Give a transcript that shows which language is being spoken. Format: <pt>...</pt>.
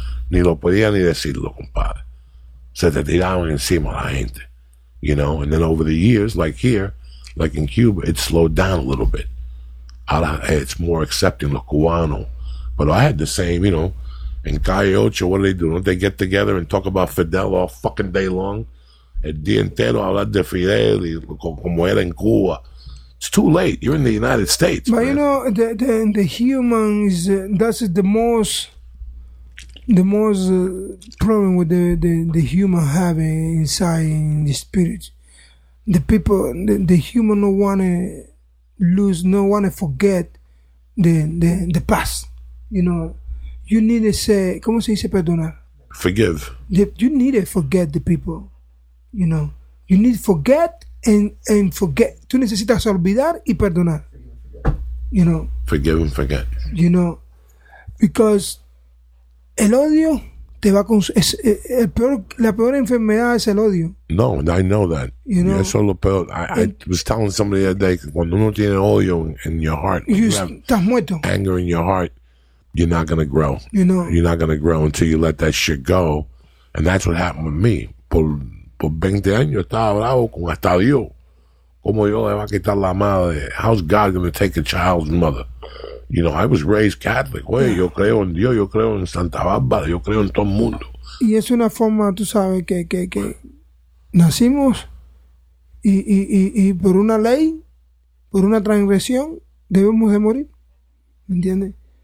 <es>Ni lo podía ni decirlo, compadre. Se te tiraban encima la gente.</es> <en>You know, and then over the years, like here, like in Cuba, it slowed down a little bit. It's more accepting,</en> <es>lo cubano.</es> <en>But I had the same, you know, in Calle Ocho, what do? Don't they get together and talk about Fidel all fucking day long?</en> <es>El día entero hablar de Fidel y como era en Cuba.</es> <en>It's too late. You're in the United States. But man, you know, the human is, that's the most problem with the human having inside in the spirit. The people, the human don't want to lose, no want to forget the past, you know. You need to say,</en> <es>¿cómo se dice perdonar?</es> <en>Forgive. You need to forget the people, you know. You need to forget and forget.</en> <es>Tú necesitas olvidar y perdonar,</es> <en>you know. Forgive and forget. You know, because</en> <es>el odio te va con... la peor enfermedad es el odio.</es> <en>No, I know that. You know.</en> <es>Eso es lo peor.</es> <en>I was telling somebody the other day,</en> <es>cuando uno tiene odio</es> <en>in your heart,</en> <es>estás muerto.</es> <en>Anger in your heart, you're not going to grow. You know. You're not going to grow until you let that shit go. And that's what happened with me.</en> <es>Por 20 años estaba bravo con hasta Dios. ¿Cómo yo le va a quitar la madre?</es> <en>How's God going to take a child's mother? You know, I was raised Catholic.</en> <es>Oye, yo creo en Dios, yo creo en Santa Bárbara, yo creo en todo el mundo. Y es una forma, tú sabes, que nacimos y por una ley, por una transgresión, debemos de morir. ¿Me entiendes?</es>